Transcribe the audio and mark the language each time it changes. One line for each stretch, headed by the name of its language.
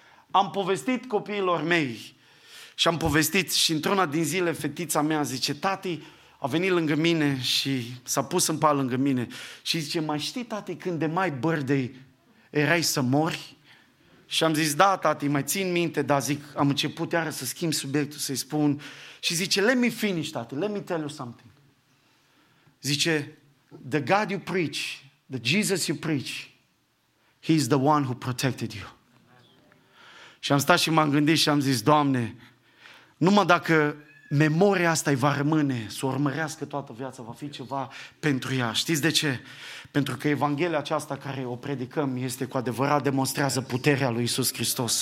Romanian: Am povestit copiilor mei și am povestit și într-una din zile fetița mea zice, tati, a venit lângă mine și s-a pus în pal lângă mine și zice, mai știi, tati, când de mai birthday erai să mori? Și am zis, da, tati, mai țin minte, dar zic, am început iară să schimb subiectul, să-i spun. Și zice,
English: let me finish, tati, let me tell you something.
Romanian: Zice,
English: the God you preach, the Jesus you preach, he is the one who protected you.
Romanian: Și am stat și m-am gândit și am zis, Doamne, numai dacă memoria asta îi va rămâne, să o urmărească toată viața, va fi ceva pentru ea. Știți de ce? Pentru că Evanghelia aceasta care o predicăm este cu adevărat, demonstrează puterea lui Iisus Hristos.